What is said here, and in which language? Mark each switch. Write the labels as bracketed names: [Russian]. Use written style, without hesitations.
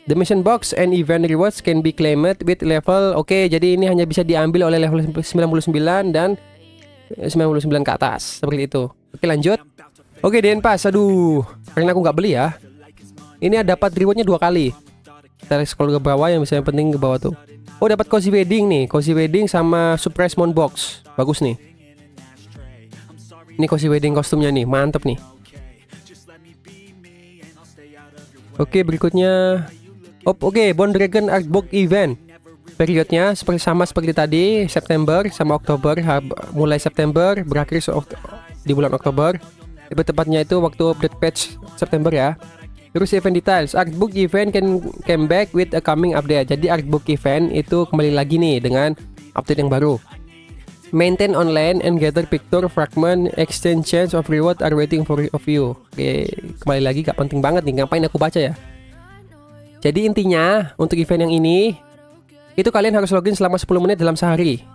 [English] The mission box and event rewards can be claimed with level. [Indonesian] Oke, jadi ini hanya bisa diambil oleh level 99 dan 99 ke atas, seperti itu. Oke, lanjut. Oke, DN Pass. Aduh, karena aku nggak beli ya. Ini dapat rewardnya 2 kali. Kita scroll ke bawah, yang bisa yang penting ke bawah tuh. Oh, dapat cozy wedding nih. Cozy wedding sama surprise moon box. Bagus nih. Ini cozy wedding kostumnya nih, mantep nih. Oke, berikutnya. Oke, Bone Dragon Artbook Event. Periodnya seperti sama seperti tadi, September sama Oktober. Mulai September, berakhir di bulan Oktober. Lebih tepatnya itu waktu update patch September ya. [English] Terus event details, artbook event can come back with a coming update. [Indonesian] Jadi artbook event itu kembali lagi nih dengan update yang baru. [English] Maintain online and gather picture fragment, exchange chance of reward are waiting for of you. [Indonesian] Oke, kembali lagi gak penting banget nih, ngapain aku baca ya. Jadi intinya untuk event yang ini, itu kalian harus login selama 10 menit dalam sehari.